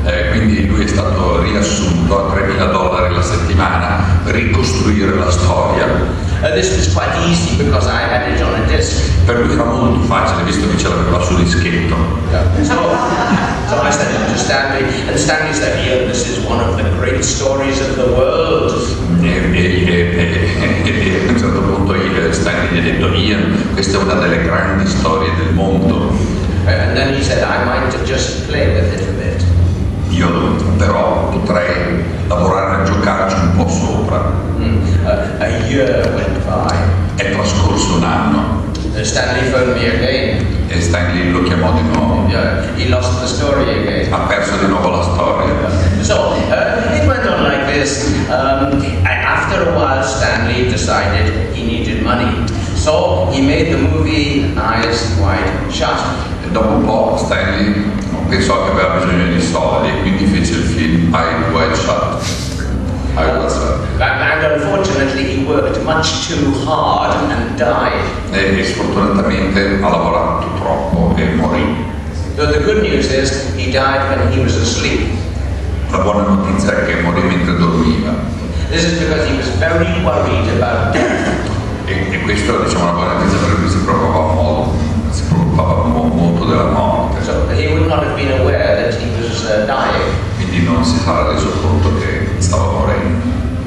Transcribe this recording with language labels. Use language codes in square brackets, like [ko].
[it] Quindi lui è stato riassunto a $3,000 la settimana per ricostruire la storia. [en] This was quite easy because I had it on a disc. [it] Per lui era molto facile visto che ce l'aveva sul dischetto. [en] So I said to Stanley, and Stanley said, yeah, this is one of the great stories of the world. [it] A un certo punto Stanley gli ha detto, Ian, questa è una delle grandi storie del mondo. [en] And then he said, I might just play with it a bit. [it] Io però potrei lavorare a giocarci un po' sopra. [en] A year went by. [it] È trascorso un anno. [en] Stanley phoned me again. [it] E Stanley lo chiamò di nuovo. [en] Yeah, he lost the story again. [it] Ha perso di nuovo la storia. [en] So, it went on like this. After a while, Stanley decided he needed money. So, he made the movie Eyes Wide Shut. [it] E dopo un po', Stanley pensò che aveva bisogno di soldi, quindi fece il film Eyes Wide Shut. [en] And unfortunately he worked much too hard and died. [it] E sfortunatamente ha lavorato troppo e morì. [en] So the good news is he died when he was asleep. [it] La buona notizia è che morì mentre dormiva. [en] This is because he was very worried about death. [it] E questo diciamo la buona notizia perché lui si preoccupava molto della morte. [en] So he would not have been aware that he was dying. [it] Quindi non si sarà reso conto che stava morendo.